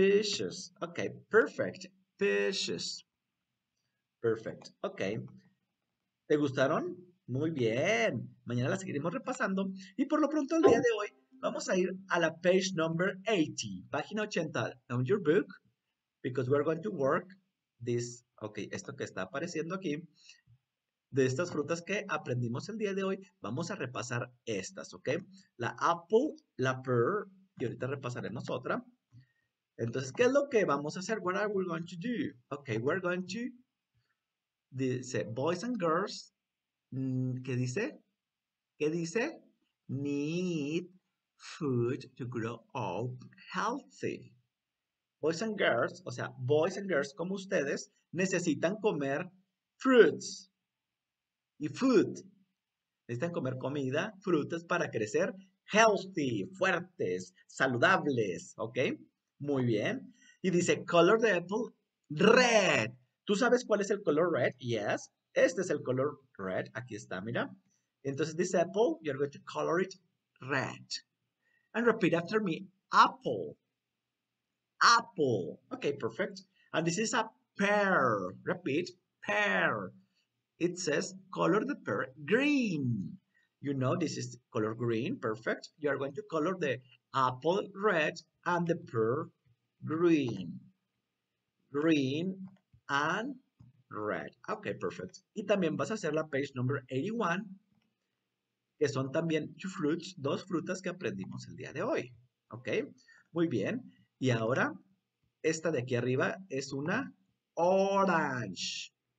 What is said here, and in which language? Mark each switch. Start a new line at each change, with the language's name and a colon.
English: Peaches. Ok, perfect. Peaches. Perfect. Ok.
Spanish: ¿Te gustaron? Muy bien. Mañana la seguiremos repasando. Y por lo pronto, el día de hoy, vamos a ir a la page number 80. Página 80
English: on your book. Because we're going to work this.
Spanish: Ok, esto que está apareciendo aquí. De estas frutas que aprendimos el día de hoy, vamos a repasar estas, ¿ok? La apple, la pear, y ahorita repasaremos otra. Entonces, ¿qué es lo que vamos a hacer?
English: What are we going to do? Ok, we're going to. Dice, boys and girls.
Spanish: ¿Qué dice? ¿Qué dice?
English: Need food to grow up healthy. Boys and girls,
Spanish: o sea,
English: boys and girls
Spanish: como ustedes, necesitan comer
English: fruits. Y food.
Spanish: Necesitan comer comida, frutas para crecer
English: healthy,
Spanish: fuertes, saludables. ¿Ok? Muy bien. Y dice, color de apple, red. ¿Tú sabes cuál es el color red? Yes. Este es el color red. Aquí está, mira. Entonces dice,
English: apple, you're going to color it red. And repeat after me, apple. Apple. Ok, perfect. And this is a pear. Repeat, pear. It says color the pear green. You know this is color green. Perfect. You are going to color the apple red and the pear green. Green and red. Okay, perfect.
Spanish: Y también vas a hacer la
English: page number 81,
Spanish: que son también
English: two fruits,
Spanish: dos frutas que aprendimos el día de hoy. Okay, muy bien. Y ahora, esta de aquí arriba es una orange.